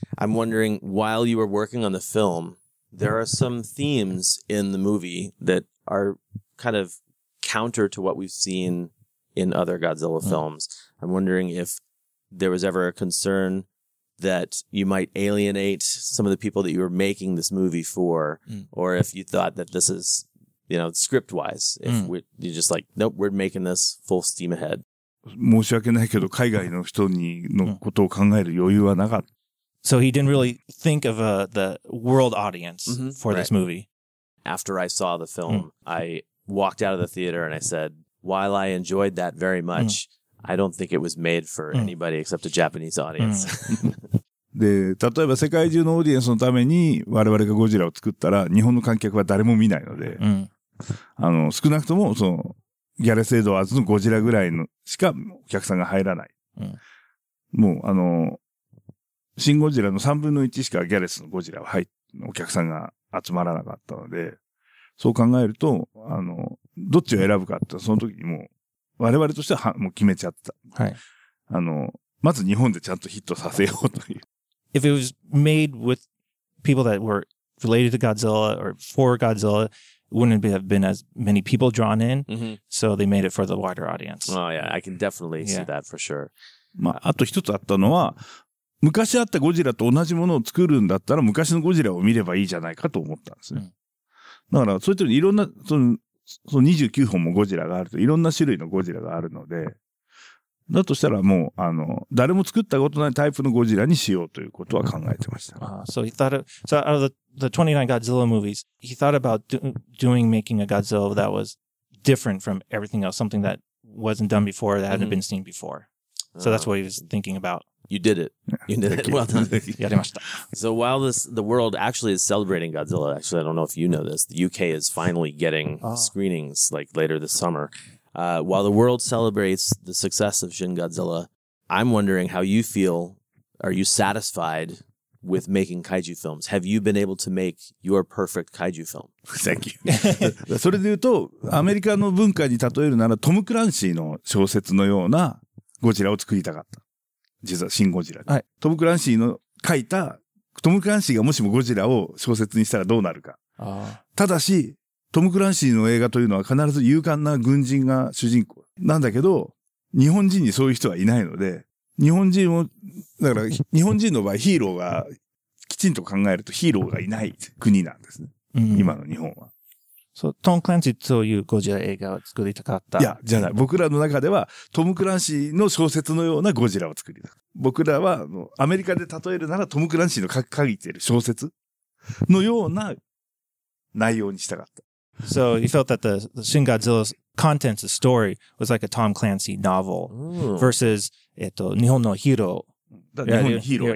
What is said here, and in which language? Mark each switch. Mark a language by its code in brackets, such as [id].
[en] I'm wondering, while you were working on the film, there are some themes in the movie that are kind of counter to what we've seenin other Godzilla films. I'm wondering if there was ever a concern that you might alienate some of the people that you were making this movie for, or if you thought that this is, you know, script-wise, if you're just like, nope, we're making this full steam ahead. [ja] 申し訳ないけど、海外の人にのことを考える余裕はなかった。 [en] So he didn't really think of the world audience for this movie. after I saw the film, I walked out of the theater and I said, while I enjoyed that very much, I don't think it was made for anybody except a Japanese audience. [ja] で、例えば世界中のオーディエンスのために我々がゴジラを作ったら日本の観客は誰も見ないので、あの、少なくともそのギャレス・エドワーズのゴジラぐらいのしかお客さんが入らない。もうあの、シン・ゴジラの3分の1しかギャレスのゴジラは入って、お客さんが集まらなかったので、そう考えると、あの、どっちを選ぶかってその時にもう我々としてはもう決めちゃった。はい。あの、まず日本でちゃんとヒットさせようという。 [en] If it was made with people that were related to Godzilla or for Godzilla, wouldn't it have been as many people drawn in? Mm-hmm. So they made it for the wider audience. Oh yeah, I can definitely see that for sure. [ja] まあ、あと一つあったのは、昔あったゴジラと同じものを作るんだったら昔のゴジラを見ればいいじゃないかと思ったんですね。だから、そういったいろんな、その29本もゴジラがあると、いろんな種類のゴジラがあるので、だとしたらもう、あの、誰も作ったことないタイプのゴジラにしようということは考えてました。 [en] So he thought of, so out of the 29 Godzilla movies, he thought about making a Godzilla that was different from everything else, something that wasn't done before, that hadn't been seen before. So that's what he was thinking about. You did it. You did it. Well done. [ja] やりました。 [en] So while the world actually is celebrating Godzilla, actually, I don't know if you know this, the UK is finally getting screenings like later this summer. While the world celebrates the success of Shin Godzilla, I'm wondering how you feel. Are you satisfied with making kaiju films? Have you been able to make your perfect kaiju film? Thank you. [ja] それで言うと、アメリカの文化に例えるなら、トム・クランシーの小説のようなゴジラを作りたかった。実は、シン・ゴジラ。はい。トム・クランシーの書いた、トム・クランシーがもしもゴジラを小説にしたらどうなるか。ただし、トム・クランシーの映画というのは必ず勇敢な軍人が主人公。なんだけど、日本人にそういう人はいないので、日本人を、だから、日本人の場合ヒーローが、きちんと考えるとヒーローがいない国なんですね。今の日本は。そう、トム・クランシーというゴジラ映画を作りたかった。いや、じゃない。僕らの中では、トム・クランシーの小説のようなゴジラを作りたかった。僕らは、アメリカで例えるなら、トム・クランシーの書いている小説のような内容にしたかった。 [en] So, you felt that the Shin Godzilla's contents, the story, was like a Tom Clancy novel versus, [ja] 日本のヒーロー。